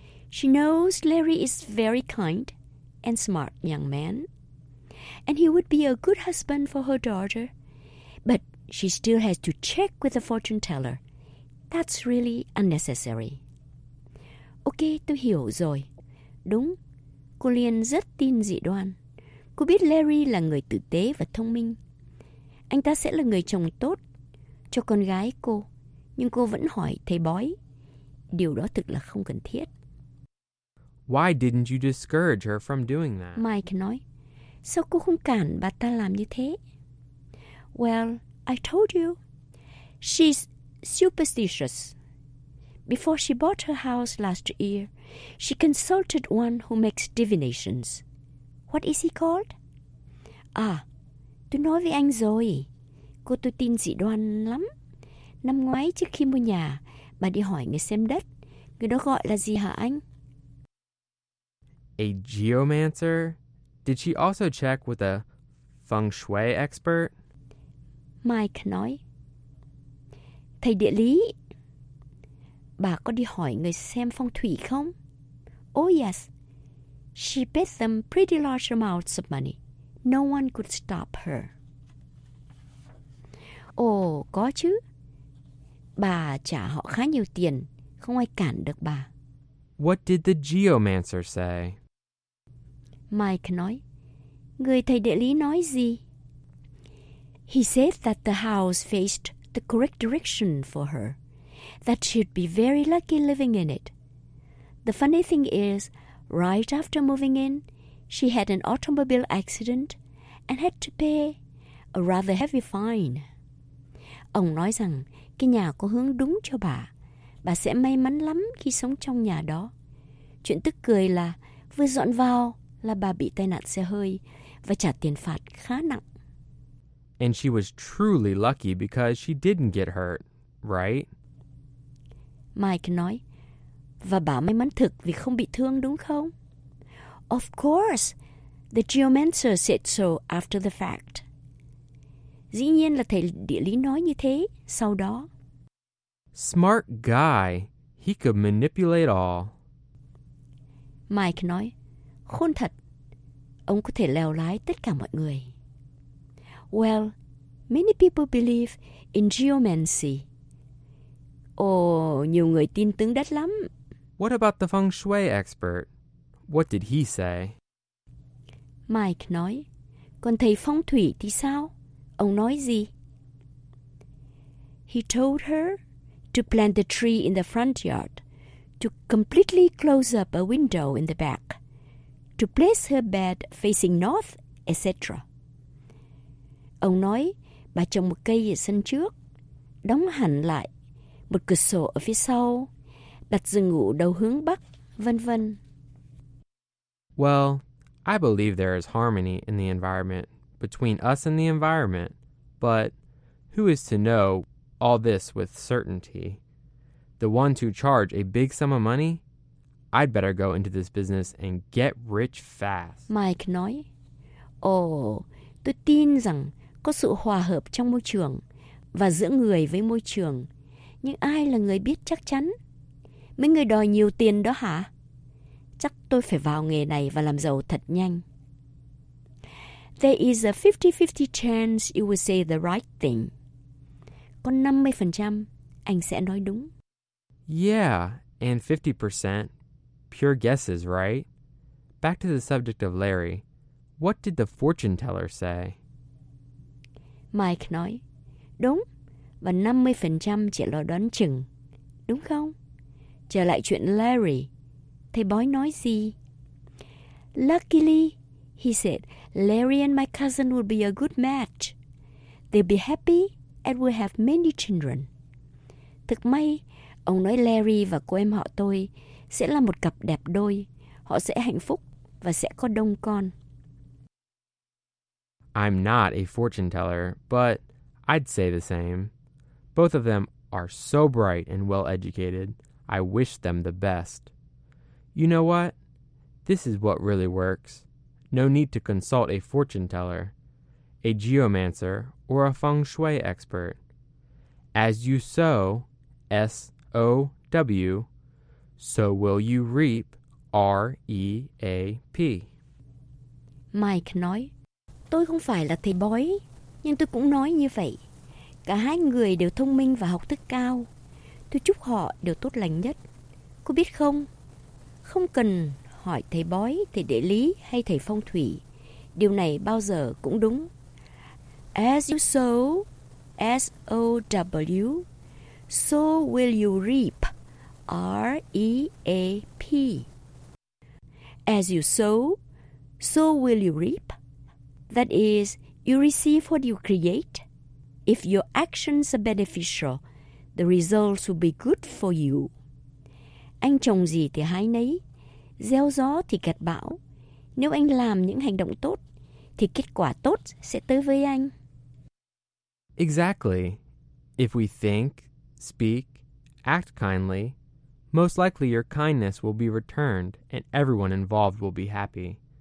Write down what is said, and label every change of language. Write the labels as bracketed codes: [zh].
[en] She knows Larry is very kind and smart young man, and he would be a good husband for her daughter. But she still has to check with the fortune teller. That's really unnecessary. Ok, [vi] tôi hiểu rồi. Đúng, cô Liên rất tin dị đoan. Cô biết Larry là người tử tế và thông minh. Anh ta sẽ là người chồng tốt cho con gái cô. Nhưng cô vẫn hỏi thầy bói. Điều đó thực là không cần thiết. [en] Why didn't you discourage her from doing that? [vi] Mike nói, sao cô không cản bà ta làm như thế? [en] Well, I told you. She's superstitious. Before she bought her house last year, she consulted one who makes divinations. What is he called? [vi] Ah, tôi nói với anh rồi. Cô tôi tin dị đoan lắm. Năm ngoái trước khi mua nhà, bà đi hỏi người xem đất. Người đó gọi là gì hả anh? [en] A geomancer? Did she also check with a feng shui expert? [vi] Mike nói, thầy địa lý, bà có đi hỏi người xem phong thủy không? [en] Oh yes, she paid them pretty large amounts of money. No one could stop her. [vi] Oh, có chứ. Bà trả họ khá nhiều tiền, không ai cản được bà. [en] What did the geomancer say? [vi] Mike nói, người thầy địa lý nói gì? [en] He said that the house faced the correct direction for her, that she'd be very lucky living in it. The funny thing is, right after moving in, she had an automobile accident and had to pay a rather heavy fine. [vi] Ông nói rằng cái nhà có hướng đúng cho bà. Bà sẽ may mắn lắm khi sống trong nhà đó. Chuyện tức cười là vừa dọn vào là bà bị tai nạn xe hơi và trả tiền phạt khá nặng. [en] And she was truly lucky because she didn't get hurt, right? [vi] Mike nói, và bà may mắn thực vì không bị thương đúng không? [en] Of course, the geomancer said so after the fact. [vi] Dĩ nhiên là thầy địa lý nói như thế sau đó. [en] Smart guy, he could manipulate all. [vi] Mike nói, khôn thật, ông có thể lèo lái tất cả mọi người. [en] Well, many people believe in geomancy. [vi] Oh, nhiều người tin tướng đất lắm. [en] What about the feng shui expert? What did he say? [vi] Mike nói, còn thầy phong thủy thì sao? Ông nói gì? [en] He told her to plant the tree in the front yard, to completely close up a window in the back, to place her bed facing north, etc. [vi] Ông nói, bà trồng một cây ở sân trước, đóng hẳn lại, một cửa sổ ở phía sau, đặt giường ngủ đầu hướng bắc, vân vân. [en] Well, I believe there is harmony in the environment, between us and the environment, but who is to know all this with certainty? The one to charge a big sum of money? I'd better go into this business and get rich fast. [vi] Mike nói, tôi tin rằng có sự hòa hợp trong môi trường và giữa người với môi trường. Nhưng ai là người biết chắc chắn? Mấy người đòi nhiều tiền đó hả? Chắc tôi phải vào nghề này và làm giàu thật nhanh. [en] There is a 50-50 chance you will say the right thing. [vi] Có 50%, anh sẽ nói đúng. [en] Yeah, and 50%. Pure guesses, right? Back to the subject of Larry. What did the fortune teller say? [vi] Mike nói, đúng, và 50% chỉ là đoán chừng, đúng không? Trở lại chuyện Larry, thầy bói nói gì? [en] Luckily, he said, Larry and my cousin will be a good match. They'll be happy and will have many children. [vi] Thực may, ông nói Larry và cô em họ tôi sẽ là một cặp đẹp đôi. Họ sẽ hạnh phúc và sẽ có đông con. [en] I'm not a fortune teller, but I'd say the same. Both of them are so bright and well-educated. I wish them the best. You know what? This is what really works. No need to consult a fortune teller, a geomancer, or a feng shui expert. As you sow, S-O-W, so will you reap, R-E-A-P. [vi] Mike nói, tôi không phải là thầy bói, nhưng tôi cũng nói như vậy. Cả hai người đều thông minh và học thức cao. Tôi chúc họ đều tốt lành nhất. Cô biết không? Không cần hỏi thầy bói, thầy địa lý hay thầy phong thủy. Điều này bao giờ cũng đúng. [en] As you sow, S-O-W, so will you reap, R-E-A-P. As you sow, so will you reap. That is, you receive what you create. If your actions are beneficial, the results will be good for you. [vi] Anh trồng gì thì hái nấy, gieo gió thì gặt bão. Nếu anh làm những hành động tốt, thì kết quả tốt sẽ tới với anh. [en] Exactly. If we think, speak, act kindly, most likely your kindness will be returned and everyone involved will be happy.